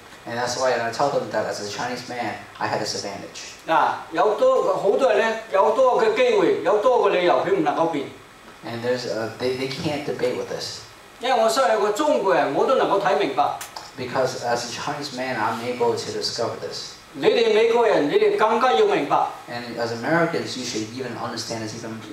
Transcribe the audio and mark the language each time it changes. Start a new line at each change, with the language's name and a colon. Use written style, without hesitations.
English: And that's why I told them that as a Chinese man, I had this advantage.
Chinese: 有很多人,有很多的機會,有很多的理由,他們不能夠變。
English: And they can't debate with this.
Chinese: 因為我身為一個中國人,我都能夠看明白。
English: Because as a Chinese man, I'm able to discover this.
Chinese: 你們美國人,你們更加要明白。
English: And as Americans, you should even understand this even better.